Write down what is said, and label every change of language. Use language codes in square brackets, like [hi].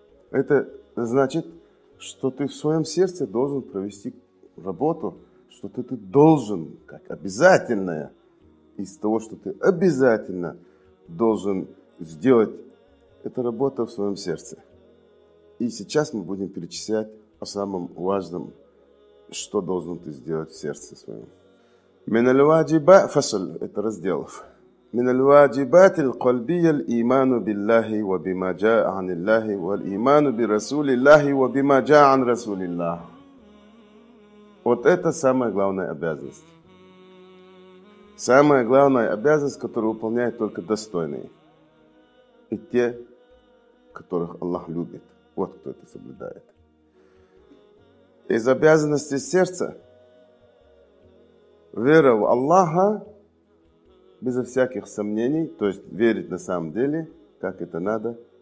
[ru] Это значит, что ты в своем сердце должен провести работу, что ты должен, как обязательное, из того, что ты обязательно должен сделать, это работа в своем сердце. И сейчас мы будем перечислять о самом важном, что должен ты сделать в сердце своем. «Мин аль-ваджиба» – фасль, это раздел. [ar] من الواجبات القلبية الإيمان بالله وبما جاء عن الله والإيمان برسول الله وبما جاء عن رسول الله. [ru] Вот это самая главная обязанность. Самая главная обязанность, которую выполняют только достойные. И те, которых Аллах любит. Вот кто это соблюдает. Из обязанности сердца вера в Аллаха безо всяких сомнений, то есть верить на самом деле как это надо.